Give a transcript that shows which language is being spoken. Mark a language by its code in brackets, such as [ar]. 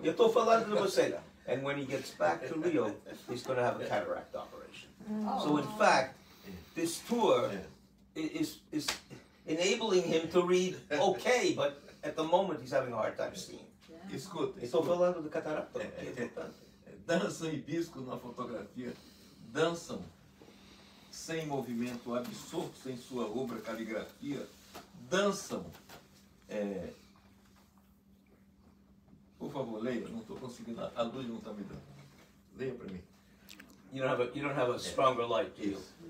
[pt] Eu estou falando de você. [en] And when he gets back to Rio, he's going to have a cataract operation. Oh. So in fact, this tour is enabling him to read okay, but at the moment he's having a hard time seeing. [pt] Escuta, estou falando do cataracto. Dançam hibisco na fotografia, dançam sem movimento absorto, sem sua obra caligrafia, dançam. É... Por favor, leia, não estou conseguindo, a luz não está me dando. Leia para mim. [en] You don't have a stronger light, do you?